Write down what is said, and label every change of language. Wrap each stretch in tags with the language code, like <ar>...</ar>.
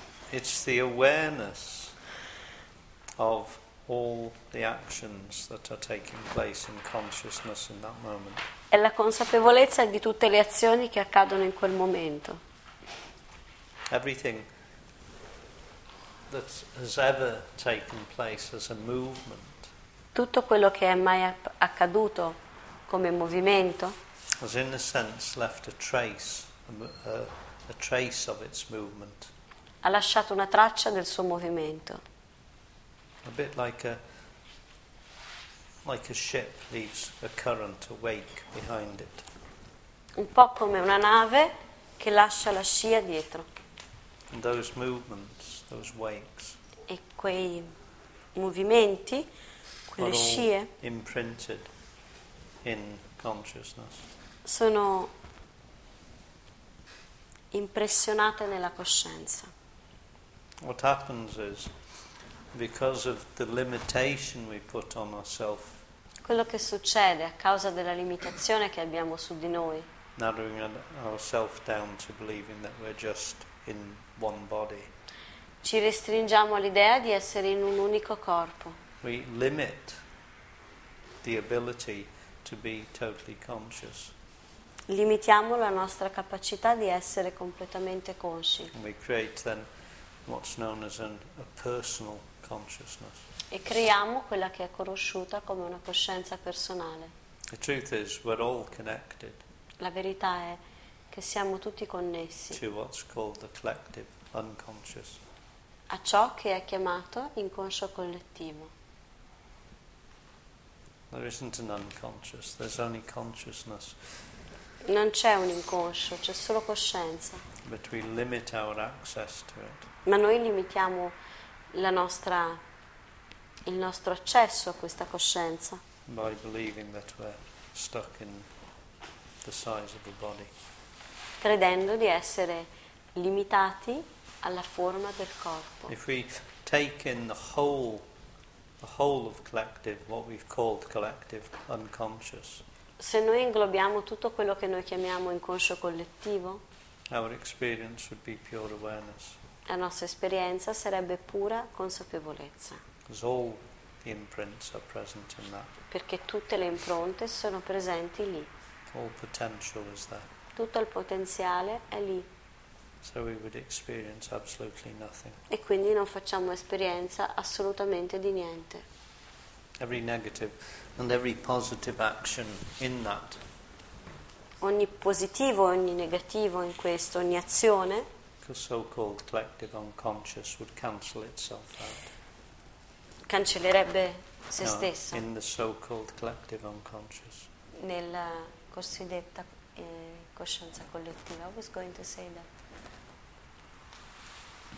<en>It's the awareness of all the actions that are taking place in consciousness in that moment.</en> <it>È la consapevolezza di tutte le azioni che accadono in quel momento.</it> <en>Everything that has ever taken place as a movement.</en> <it>Tutto quello che è mai accaduto come movimento.</it> <en>Has in a sense left a trace. A trace of its movement.</en> <it>Ha lasciato una traccia del suo movimento.</it> <en>A bit like a ship leaves a current, a wake behind it.</en> <it>Un po' come una nave che lascia la scia dietro.</it> <en>And those movements, those wakes.</en> <it>E quei movimenti, quelle scie.</it> <en>Imprinted in consciousness.</en> <it>Sono impressionate nella coscienza.</it> <en>What happens is because of the limitation we put on ourselves.</en> <it>Quello che succede a causa della limitazione che abbiamo su di noi.</it> <en>Narrowing ourselves down to believing that we're just in one body.</en> <it>Ci restringiamo all'idea di essere in un unico corpo.</it> <en>We limit the ability to be totally conscious.</en> <it>Limitiamo la nostra capacità di essere completamente consci.</it> <en>And we create then what's known as a personal consciousness.</en> <it>E creiamo quella che è conosciuta come una coscienza personale.</it> <en>The truth is we're all connected.</en> <it>La verità è che siamo tutti connessi.</it> <en>To what's called the collective unconscious.</en> <it>A ciò che è chiamato inconscio collettivo.</it> <en>There isn't an unconscious, there's only consciousness.</en> <it>Non c'è un inconscio, c'è solo coscienza.</it> <en>But we limit our access to it.</en> <it>Ma noi limitiamo il nostro accesso a questa coscienza.</it> <en>By believing that we're stuck in the size of the body.</en> <it>Credendo di essere limitati alla forma del corpo.</it> <en>If we take in the whole of collective, what we've called collective unconscious.</en> <it>Se noi inglobiamo tutto quello che noi chiamiamo inconscio collettivo,</it> <en>our experience would be pure awareness.</en> <it>La nostra esperienza sarebbe pura consapevolezza.</it> <en>All the imprints are present in that.</en> <it>Perché tutte le impronte sono presenti lì.</it> <en>All potential is there.</en> <it>Tutto il potenziale è lì.</it> <en>So we would experience absolutely nothing.</en> <it>E quindi non facciamo esperienza assolutamente di niente.</it> <en>Every negative And every positive action in that.</en> <it>Ogni positivo, ogni negativo in questo, ogni azione.</it> <en>The so-called collective unconscious would cancel itself out.</en> <it>Cancellerebbe se stesso.</it> <en>In the so-called collective unconscious.</en> <it>Nella cosiddetta coscienza collettiva.</it> <en>I was going to say that.</en>